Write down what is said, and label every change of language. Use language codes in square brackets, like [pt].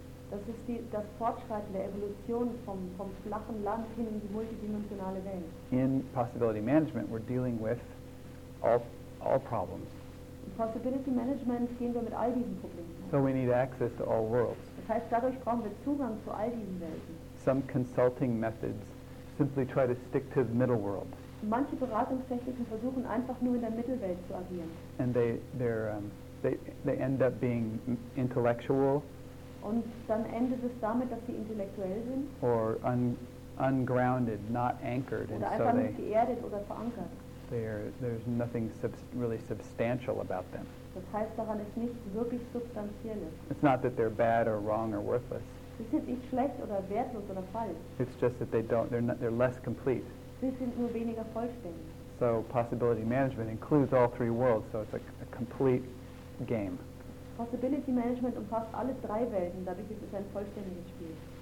[de] Das ist das Fortschreiten der Evolution vom flachen Land hin in die multidimensionale Welt. [en] In possibility management, we're dealing with all problems. [de] In possibility management gehen wir mit all diesen Problemen. [en] So we need access to all worlds. [de] Das heißt, dadurch brauchen wir Zugang zu all diesen Welten. [en] Some consulting methods simply try to stick to the middle world. [de] Manche Beratungstechniken versuchen einfach nur in der Mittelwelt zu agieren. [en] And they end up being intellectual. [de] Und dann endet es damit, dass sie intellektuell sind. [en] Or ungrounded, not anchored. [de] Oder einfach [en] and so [de] nicht geerdet oder verankert. [en] There's nothing really substantial about them. [de] Das heißt, daran ist nichts wirklich Substanzielles. [en] It's not that they're bad or wrong or worthless. [de] Sie sind nicht schlecht oder wertlos oder falsch. [en] It's just that they're less complete. [de] Sie sind nur weniger vollständig. [en] So possibility management includes all three worlds, so it's a complete game. [de] Possibility management umfasst alle drei Welten, dadurch ist es ein vollständiges Spiel.